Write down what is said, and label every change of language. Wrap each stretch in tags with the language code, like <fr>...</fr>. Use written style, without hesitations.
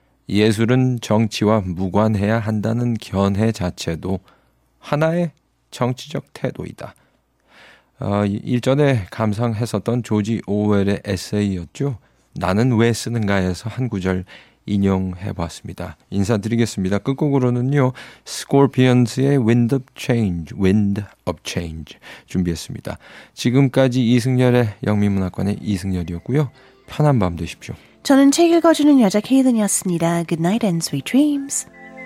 <ko>예술은 정치와 무관해야 한다는 견해 자체도 하나의 정치적 태도이다. 일전에 감상했었던 조지 오웰의 에세이였죠. 나는 왜 쓰는가에서 한 구절 인용해봤습니다. 인사드리겠습니다. 끝곡으로는요, Scorpions의 Wind of Change, Wind of Change 준비했습니다. 지금까지 이승열의 영미문학관의 이승열이었고요. 편한 밤 되십시오. 저는 책 읽어주는 여자 케이든이었습니다.</ko> <en>Good night and sweet dreams.</en>